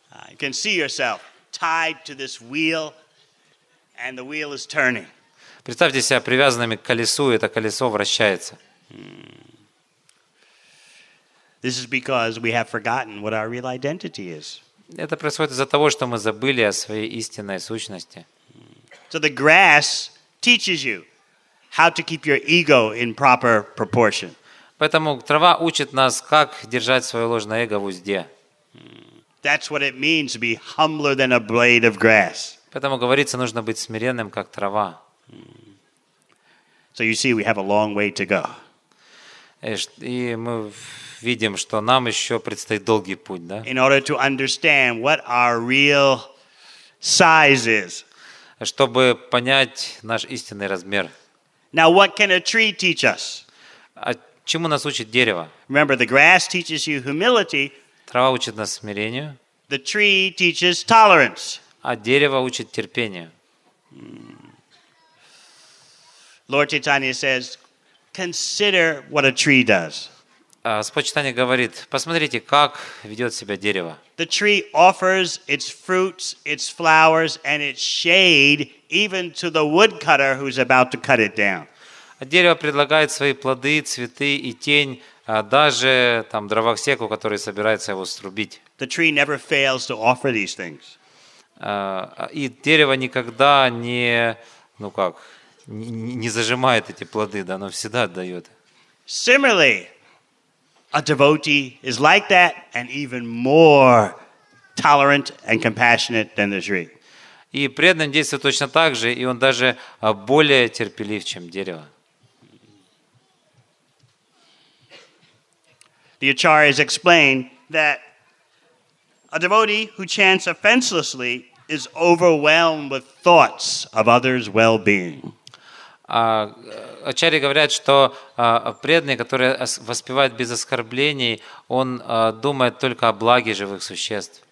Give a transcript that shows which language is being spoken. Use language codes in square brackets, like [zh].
[en] You can see yourself tied to this wheel, and the wheel is turning. [ru] Представьте себя привязанными к колесу, и это колесо вращается. [en] This is because we have forgotten what our real identity is. [ru] Это происходит из-за того, что мы забыли о своей истинной сущности. [en] So the grass teaches you how to keep your ego in proper proportion. [ru] Поэтому трава учит нас, как держать свое ложное эго в узде. [en] That's what it means to be humbler than a blade of grass. [ru] Поэтому говорится, нужно быть смиренным, как трава. [en] So you see, we have a long way to go. [ru] И мы видим, что нам еще предстоит долгий путь, да? [en] In order to understand what our real size is. [ru] Чтобы понять наш истинный размер. [en] Now, what can a tree teach us? [ru] Чему нас учит дерево? [en] Remember, the grass teaches you humility. [ru] Трава учит нас смирению. [en] The tree teaches tolerance. [ru] А дерево учит терпению. [en] Lord Chaitanya says, consider what a tree does. [ru] Господь Чайтанья говорит, посмотрите, как ведет себя дерево. [en] The tree offers its fruits, its flowers, and its shade even to the woodcutter who's about to cut it down. [ru] Дерево предлагает свои плоды, цветы и тень даже там дровосеку, который собирается его срубить. [en] The tree never fails to offer these things. [ru] И дерево никогда не зажимает эти плоды, да, оно всегда отдает. [en] Similarly, a devotee is like that and even more tolerant and compassionate than the tree. [ru] И преданный действует точно так же, и он даже более терпелив, чем дерево. [en] The Acharyas explain that a devotee who chants offenselessly is overwhelmed with thoughts of others' well-being. [ru] Ачарьи говорят, что преданный, который воспевает без оскорблений, он думает только о благе живых существ.